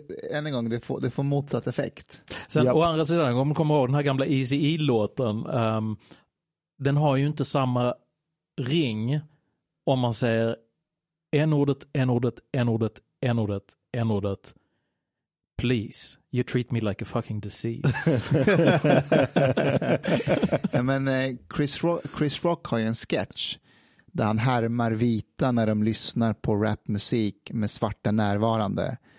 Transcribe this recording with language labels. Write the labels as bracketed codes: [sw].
[sv] Än en gång, det får motsatt effekt. Sen, å andra sidan, om man kommer ihåg den här gamla Eazy-E-låten. Den har ju inte samma ring om man säger N-ordet, N-ordet, N-ordet, N-ordet, N-ordet. [en] please, you treat me like a fucking disease. [sv] Men Chris Rock har ju en sketch där han härmar vita när de lyssnar på rapmusik med svarta närvarande.